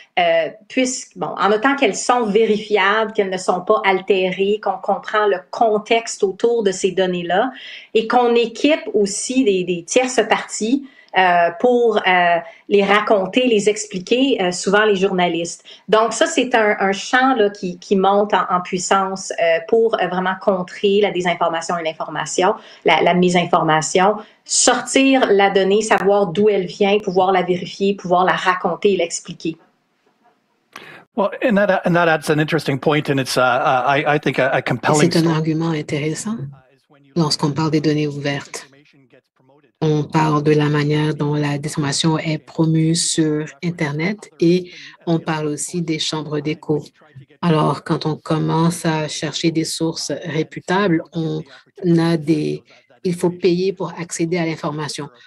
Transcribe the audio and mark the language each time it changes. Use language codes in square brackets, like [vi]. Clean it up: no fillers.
[fr] en autant qu'elles sont vérifiables, qu'elles ne sont pas altérées, qu'on comprend le contexte autour de ces données-là, et qu'on équipe aussi des tierces parties pour les raconter, les expliquer, souvent les journalistes. Donc ça, c'est un champ là, qui monte en puissance pour vraiment contrer la désinformation et l'information, la misinformation, sortir la donnée, savoir d'où elle vient, pouvoir la vérifier, pouvoir la raconter et l'expliquer. [en] Well, and that adds an interesting point, and it's I think a compelling. [fr] C'est un argument intéressant lorsqu'on parle des données ouvertes. On parle de la manière dont la désinformation est promue sur Internet et on parle aussi des chambres d'écho. Alors, quand on commence à chercher des sources réputables, il faut payer pour accéder à l'information.